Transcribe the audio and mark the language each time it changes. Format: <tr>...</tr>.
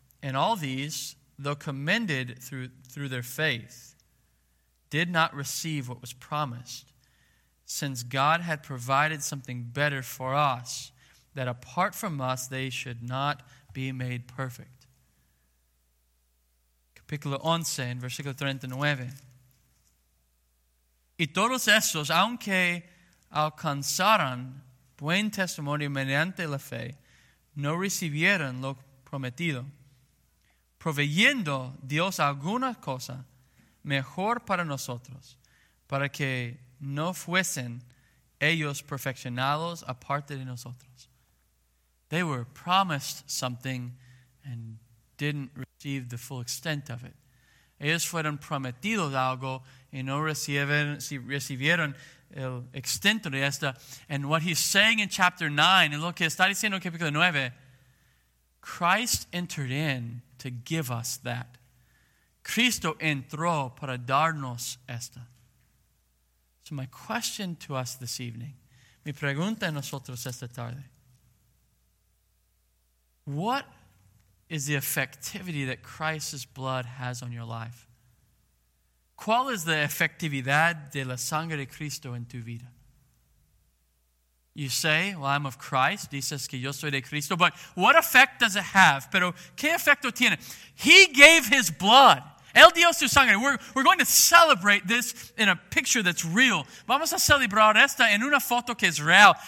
<en>And all these, though commended through their faith, did not receive what was promised, since God had provided something better for us, that apart from us, they should not be made perfect.</en> <es>Capítulo 11, en versículo 39. Y todos estos, aunque alcanzaran buen testimonio mediante la fe, no recibieron lo prometido, proveyendo Dios alguna cosa mejor para nosotros, para que no fuesen ellos perfeccionados aparte de nosotros.</es> <en>They were promised something and didn't receive the full extent of it.</en> <es>Ellos fueron prometidos algo y no recibieron el extento de esta.</es> <en>And what he's saying in chapter 9,</en> <es>lo que está diciendo en capítulo 9,</es> <en>Christ entered in to give us that.</en> <es>Cristo entró para darnos esta.</es> <en>So my question to us this evening,</en> <es>mi pregunta a nosotros esta tarde,</es> <en>what is the effectivity that Christ's blood has on your life?</en> <es>¿Cuál es la efectividad de la sangre de Cristo en tu vida?</es> <en>You say, well, I'm of Christ.</en> <es>Dices que yo soy de Cristo.</es> <en>But what effect does it have?</en> <es>Pero, ¿qué efecto tiene?</es> <en>He gave his blood.</en> <es>Él dio su sangre.</es> <en>We're going to celebrate this in a picture that's real.</en> <es>Vamos a celebrar esta en una foto que es real.</es>